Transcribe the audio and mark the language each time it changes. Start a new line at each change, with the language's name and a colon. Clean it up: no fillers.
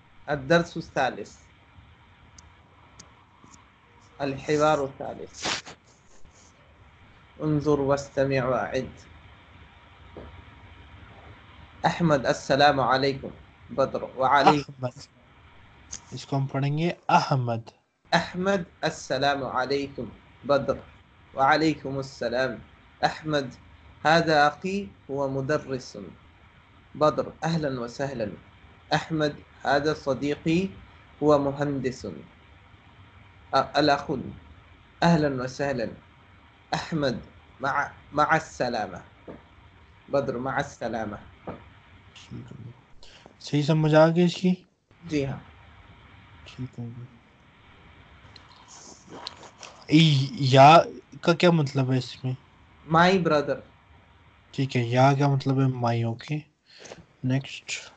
Arabic: الدرس الثالث الحوار الثالث انظر واستمع واعد احمد السلام عليكم بدر وعليكم
Urdu: احمد، اس کو ہم پڑھیں گے احمد،
Arabic: احمد السلام عليكم بدر وعليكم السلام احمد هذا اخي هو مدرس بدر اهلا وسهلا احمد هذا صديقي هو مهندس الاخ اهلا وسهلا احمد مع السلامه بدر مع السلامه
Urdu: صحیح سمجھ آگے اس کی؟ جی ہاں ٹھیک ہے۔ یا کا کیا مطلب ہے اس میں؟ مائی برادر، ٹھیک ہے، یا کیا مطلب ہے مائی، اوکے۔ نیکسٹ،